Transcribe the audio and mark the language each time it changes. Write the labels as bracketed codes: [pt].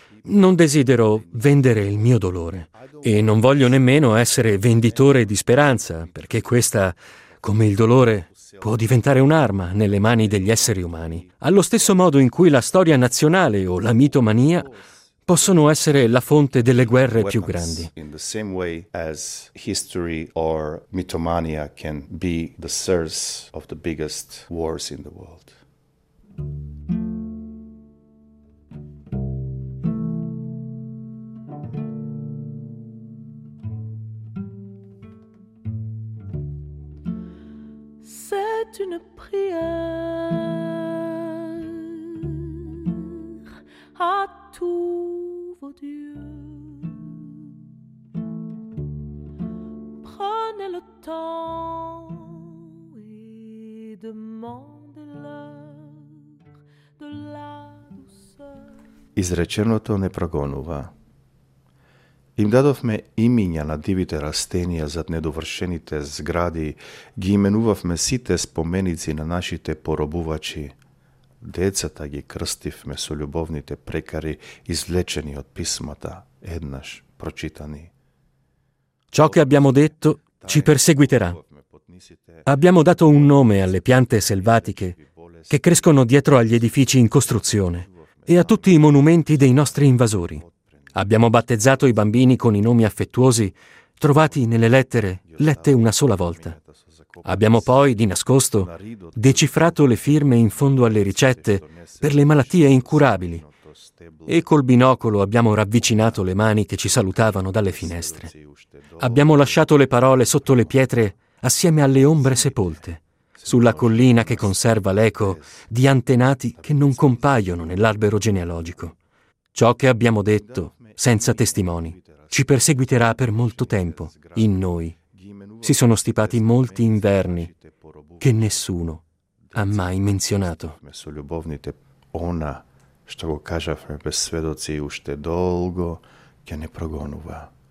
[it] Non desidero vendere il mio dolore. E non voglio nemmeno essere venditore di speranza, perché questa, come il dolore, può diventare un'arma nelle mani degli esseri umani. Allo stesso modo in cui la storia nazionale o la mitomania possono essere la fonte delle guerre più grandi. [en] In the same way as history or mitomania can be the source of the biggest wars in the world. [fr] C'est une prière à tout. Prenez le temps et demandez-leur de la douceur. [mk] Изреченото не прогонува. Им дадовме имиња на дивите растенија зад недовршените згради, ги именувавме сите споменици на нашите поробувачи. Децата ги крстивме со љубовните прекари извлечени од писмата, еднаш прочитани. [it] Ciò che abbiamo detto ci perseguiterà. Abbiamo dato un nome alle piante selvatiche che crescono dietro agli edifici in costruzione e a tutti i monumenti dei nostri invasori. Abbiamo battezzato i bambini con i nomi affettuosi trovati nelle lettere lette una sola volta. Abbiamo poi, di nascosto, decifrato le firme in fondo alle ricette per le malattie incurabili e col binocolo abbiamo ravvicinato le mani che ci salutavano dalle finestre. Abbiamo lasciato le parole sotto le pietre assieme alle ombre sepolte, sulla collina che conserva l'eco di antenati che non compaiono nell'albero genealogico. Ciò che abbiamo detto, senza testimoni, ci perseguiterà per molto tempo in noi. Si sono stipati molti inverni che nessuno ha mai menzionato. [mk] Со љубовните она што го кажавме без сведоци уште долго ќе не прогонува.